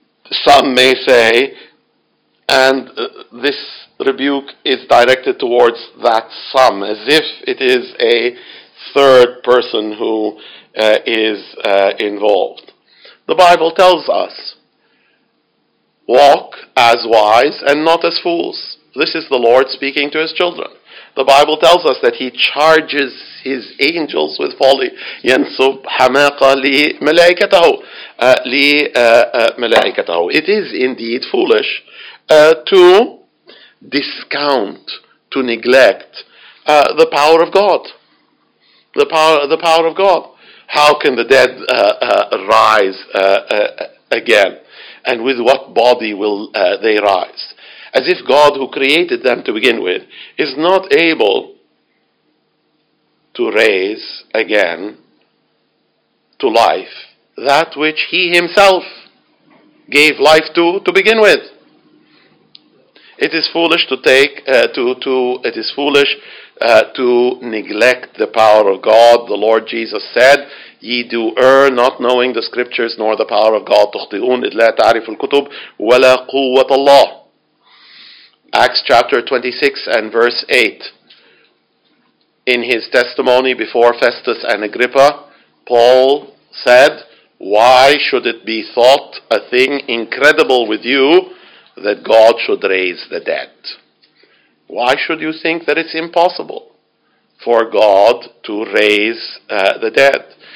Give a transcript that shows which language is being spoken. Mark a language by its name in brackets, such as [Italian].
[English] Some may say, and this rebuke is directed towards that some, as if it is a third person who is involved. The Bible tells us, walk as wise and not as fools. This is the Lord speaking to his children. The Bible tells us that he charges his angels with folly. [Arabic] ينصب حماقة لملائكته لملائكته. [English] It is indeed foolish to discount, to neglect the power of God. The power of God. How can the dead rise again? And with what body will they rise? As if God, who created them to begin with, is not able to raise again to life that which he himself gave life to begin with. It is foolish to take to neglect the power of God. The Lord Jesus said, ye do err, not knowing the scriptures nor the power of God. [Arabic] تخطئون إذ لا تعرف الكتب ولا قوة الله. [English] Acts chapter 26 and verse 8. In his testimony before Festus and Agrippa, Paul said, why should it be thought a thing incredible with you that God should raise the dead? Why should you think that it's impossible for God to raise the dead?